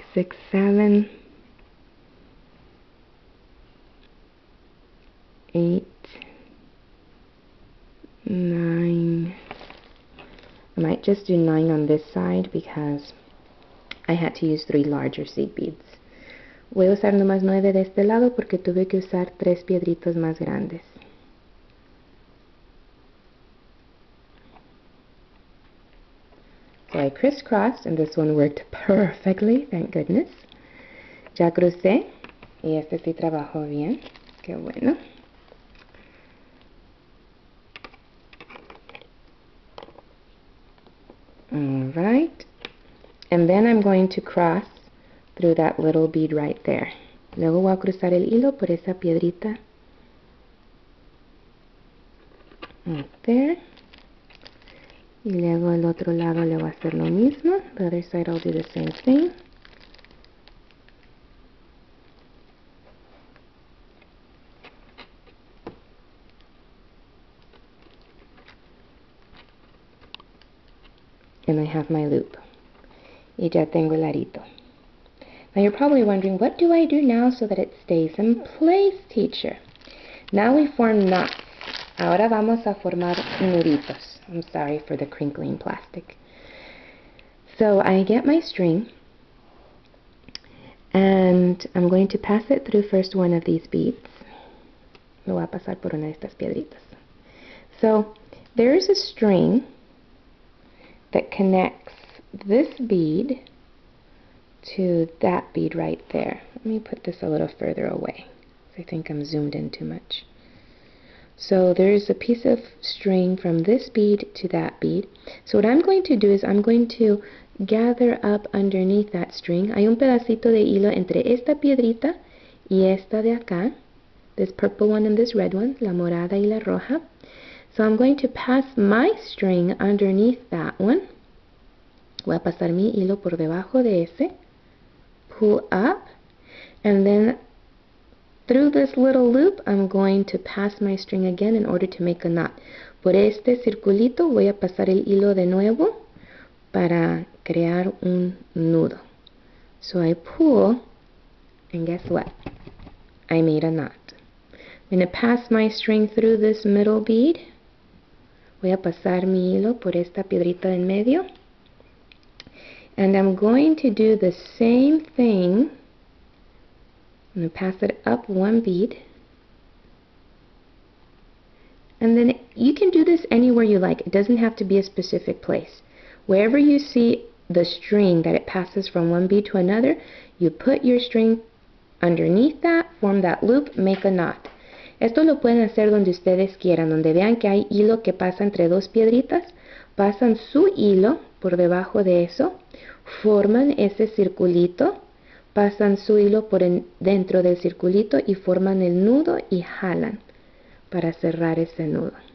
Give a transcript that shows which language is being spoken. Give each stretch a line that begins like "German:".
English: Six, seven, eight, nine. I might just do nine on this side because I had to use three larger seed beads.
Spanish: Voy a usar nomás nueve de este lado porque tuve que usar tres piedritos más grandes.
English: So I crisscrossed, and this one worked perfectly, thank goodness.
Spanish: Ya crucé, y este sí trabajó bien. Qué bueno.
English: Alright. And then I'm going to cross through that little bead right there.
Spanish: Luego voy a cruzar el hilo por esa piedrita.
English: Right there.
Spanish: Y luego el otro lado le voy a hacer lo mismo.
English: The other side I'll do the same thing. And I have my loop.
Spanish: Y ya tengo el arito.
English: Now you're probably wondering, what do I do now so that it stays in place, teacher? Now we form knots.
Spanish: Ahora vamos a formar nuditos.
English: I'm sorry for the crinkling plastic. So I get my string, and I'm going to pass it through first one of these beads.
Spanish: Lo voy a pasar por una de estas piedritas.
English: So there's a string that connects this bead to that bead right there. Let me put this a little further away. I think I'm zoomed in too much. So there's a piece of string from this bead to that bead. So what I'm going to do is I'm going to gather up underneath that string.
Spanish: Hay un pedacito de hilo entre esta piedrita y esta de acá.
English: This purple one and this red one,
Spanish: la morada y la roja.
English: So I'm going to pass my string underneath that one.
Spanish: Voy a pasar mi hilo por debajo de ese.
English: Pull up. And then through this little loop, I'm going to pass my string again in order to make a knot.
Spanish: Por este circulito, voy a pasar el hilo de nuevo para crear un nudo.
English: So I pull, and guess what? I made a knot. I'm going to pass my string through this middle bead.
Spanish: Voy a pasar mi hilo por esta piedrita en medio.
English: And I'm going to do the same thing. I'm going to pass it up one bead. And then you can do this anywhere you like. It doesn't have to be a specific place. Wherever you see the string that it passes from one bead to another, you put your string underneath that, form that loop, make a knot.
Spanish: Esto lo pueden hacer donde ustedes quieran, donde vean que hay hilo que pasa entre dos piedritas. Pasan su hilo por debajo de eso, forman ese circulito, pasan su hilo por dentro del circulito y forman el nudo y jalan para cerrar ese nudo.